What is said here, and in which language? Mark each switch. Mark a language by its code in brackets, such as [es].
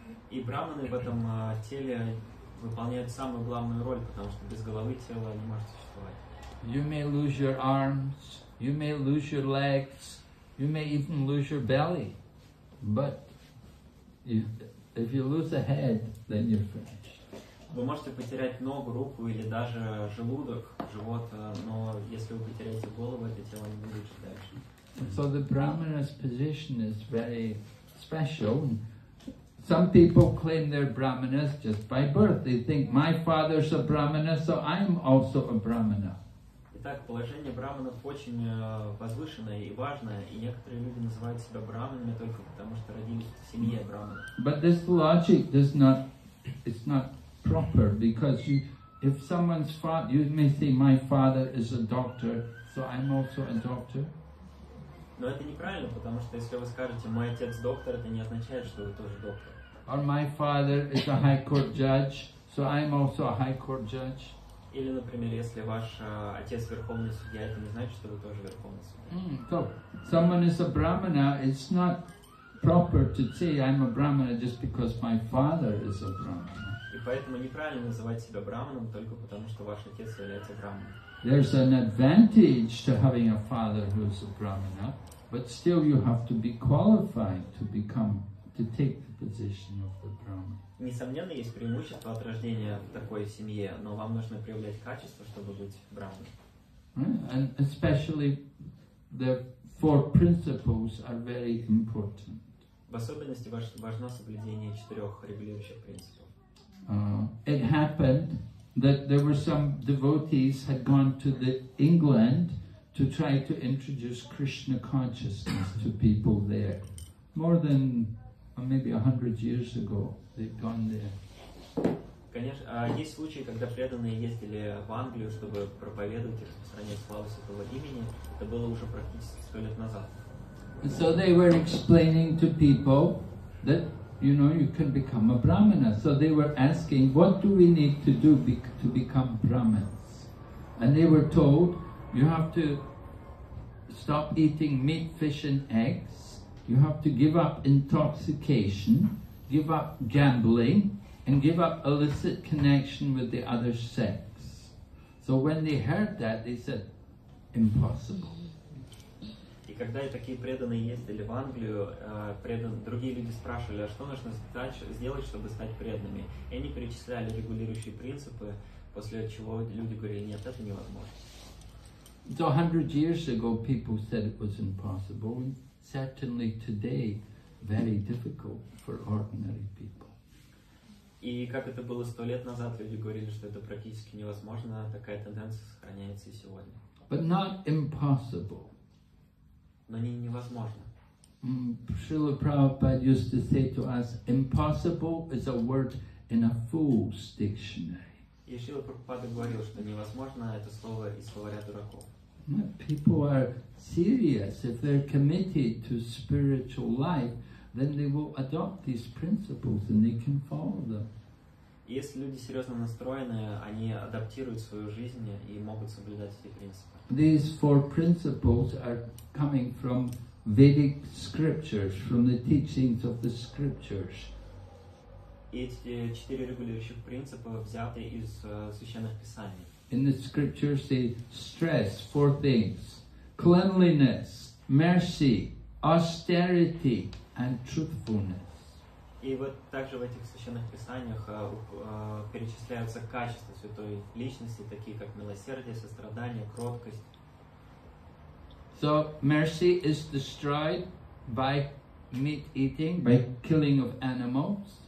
[ru] И брахманы в этом теле выполняют самую главную роль, потому что без головы тело не может существовать. [en] You may lose your arms, you may lose your legs, you may even lose your belly. But if you lose a head, then you're finished. [ru] Вы можете потерять ногу, руку или даже желудок, живот, но если вы потеряете голову, это тело не будет жить дальше. [en] So the brahmana's position is very special. Some people claim they're brahmanas just by birth. They think my father's a brahmana, so I'm also a brahmana. [ru] Итак, положение брахманов очень возвышенное и важное, и некоторые люди называют себя брахманами только потому, что родились в семье брахмана. [en] But this logic does not, it's not proper, because you, if someone's father, you may say my father is a doctor, so I'm also a doctor. [ru] Но это неправильно, потому что если вы скажете «мой отец доктор», это не означает, что вы тоже доктор. [en] Or my father is a high court judge, so I'm also a high court judge. [ru] Или, например, если ваш отец верховный судья, это не значит, что вы тоже верховный судья. [en] So, someone is a brahmana, it's not proper to say I'm a brahmana just because my father is a brahmana. [ru] И поэтому неправильно называть себя брахманом только потому, что ваш отец является брахманом. [en] There's an advantage to having a father who's a brahmana, but still you have to be qualified to become, to take the position of the brahmana. [ru] Несомненно, есть преимущество от рождения в такой семье, но вам нужно проявлять качество, чтобы быть брахманом. [en] And especially the 4 principles are very important. [ru] В особенности важно соблюдение 4 регулирующих принципов. [en] It happened that there were some devotees had gone to the England to try to introduce Krishna consciousness to people there. More than maybe 100 years ago, they'd gone there. [ru] Конечно, есть случаи, когда преданные ездили в Англию, чтобы проповедовать и распространять славу Святого имени. Это было уже практически 100 лет назад. [en] So they were explaining to people that, you know, you can become a brahmana. So they were asking, what do we need to do to become brahmins? And they were told, you have to stop eating meat, fish and eggs. You have to give up intoxication, give up gambling, and give up illicit connection with the other sex. So when they heard that, they said, impossible. [ru] И когда и такие преданные ездили в Англию, другие люди спрашивали, а что нужно сделать, чтобы стать преданными? И они перечисляли регулирующие принципы, после чего люди говорили, нет, это невозможно. [en] So 100 years ago people said it was impossible, and certainly today very difficult for ordinary people. [ru] И как это было 100 лет назад, люди говорили, что это практически невозможно, такая тенденция сохраняется и сегодня. [en] But not impossible. [ru] Но не невозможно. [en] Шрила Прабхупада used to say to us, impossible is a word in a fool's dictionary. [ru] И Шрила Прабхупада говорил, что невозможно — это слово из словаря дураков. [en] People are serious. If they're committed to spiritual life, then they will adopt these principles and they can follow them. [ru] Если люди серьезно настроены, они адаптируют свою жизнь и могут соблюдать эти принципы. [en] These four principles are coming from Vedic scriptures, from the teachings of the scriptures. [ru] Эти четыре регулирующих принципа взяты из священных писаний. [en] In the scriptures they stress four things: cleanliness, mercy, austerity and truthfulness. [ru] И вот также в этих священных писаниях перечисляются качества святой личности, такие как милосердие, сострадание, кроткость. [en] So mercy is destroyed by meat eating, by killing of animals.